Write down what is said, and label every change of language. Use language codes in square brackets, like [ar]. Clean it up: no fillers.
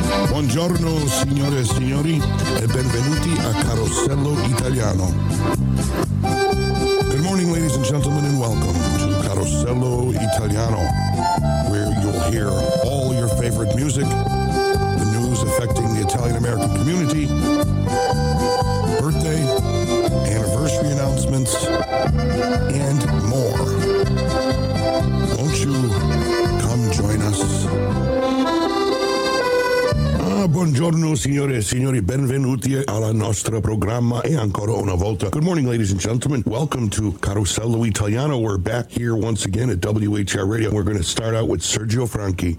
[it] Buongiorno signore e signori e benvenuti a Carosello Italiano. [en] Good morning ladies and gentlemen and welcome to Carosello Italiano, where you'll hear all your favorite music, the news affecting the Italian-American community, birthday, anniversary announcements, and more. Won't you come join us? [it] Buongiorno signore e signori, benvenuti alla nostra programma e ancora una volta. [en] Good morning ladies and gentlemen, welcome to Carosello Italiano. We're back here once again at WHR Radio. We're going to start out with Sergio Franchi.